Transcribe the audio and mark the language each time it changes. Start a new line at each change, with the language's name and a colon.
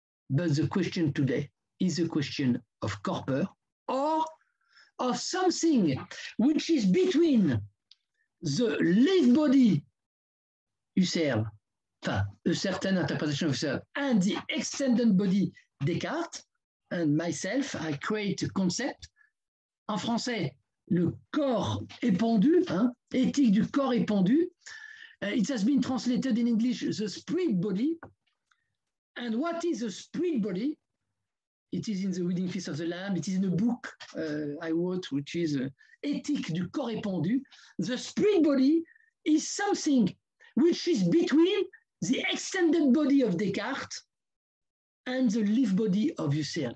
English: But the question today is a question of Körper or of something which is between the live body, Husserl, enfin, a certain interpretation of Husserl, and the extended body, Descartes, and myself, I create a concept.
French: En français, le corps épandu, hein, éthique du corps épandu.
English: It has been translated in English, the spirit body. And what is a spirit body? It is in the Wedding Feast of the Lamb. It is in a book I wrote, which is Ethic du corps épandu. The spirit body is something which is between the extended body of Descartes and the live body of Husserl.